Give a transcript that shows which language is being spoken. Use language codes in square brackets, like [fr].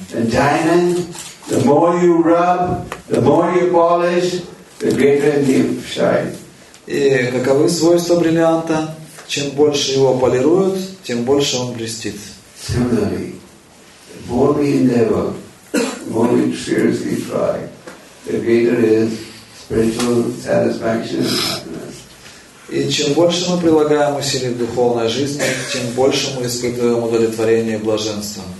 [en] A diamond, the more you rub, the more you polish, the greater the shine. [ru] И каковы свойства бриллианта? Чем больше его полируют, тем больше он блестит. [en] Similarly, the more we endeavor, the more we seriously try, the greater is spiritual satisfaction and happiness. [ru] И чем больше мы прилагаем усилий в духовной жизни, тем больше мы испытываем удовлетворение и блаженство.